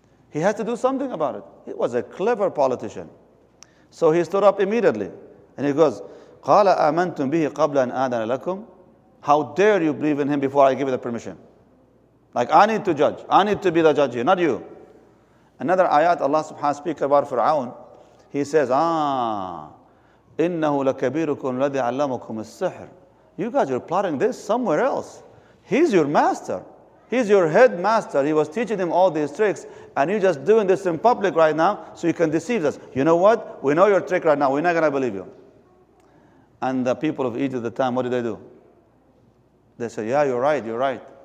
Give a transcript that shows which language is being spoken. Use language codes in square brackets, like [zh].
[en] He had to do something about it. He was a clever politician. So he stood up immediately and he goes, [ar] قَالَ آمَنْتُمْ بِهِ قَبْلَ أَنْ آذَنَ لَكُمْ. [en] How dare you believe in him before I give you the permission? Like, I need to judge. I need to be the judge here, not you. Another ayat, Allah subhanahu wa ta'ala speaks about Fir'aun. He says, [ar] إِنَّهُ لَكَبِيرُكُمْ الَّذِي عَلَّمُكُمُ السِّحْرِ. [en] You guys are plotting this somewhere else. He's your master. He's your head master. He was teaching him all these tricks. And you're just doing this in public right now so you can deceive us. You know what? We know your trick right now. We're not going to believe you. And the people of Egypt at the time, what did they do? They said, yeah, you're right, you're right.